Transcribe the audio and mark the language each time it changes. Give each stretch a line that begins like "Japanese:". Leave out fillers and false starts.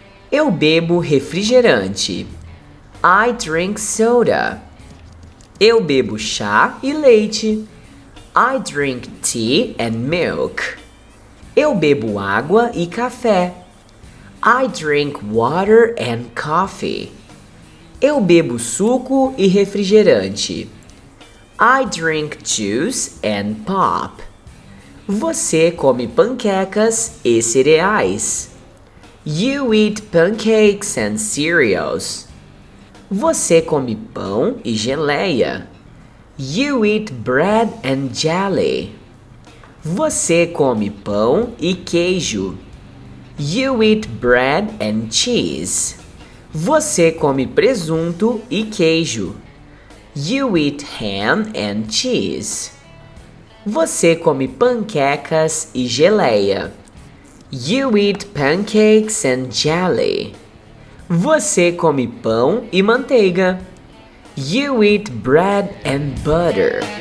Portuguese: Eu bebo refrigerante.
English: I drink soda.
Portuguese: Eu bebo chá e leite.
English: I drink tea and milk.
Portuguese: Eu bebo água e café.
English: I drink water and coffee.
Portuguese: Eu bebo suco e refrigerante.
English: I drink juice and pop.
Portuguese: Você come panquecas e cereais.
English: You eat pancakes and cereals.
Portuguese: Você come pão e geleia.
English: You eat bread and jelly.
Portuguese: Você come pão e queijo.
English: You eat bread and cheese.
Portuguese: Você come presunto e queijo.
English: You eat ham and cheese.
Portuguese: Você come panquecas e geleia.
English: You eat pancakes and jelly.
Portuguese: Você come pão e manteiga.
English: You eat bread and butter.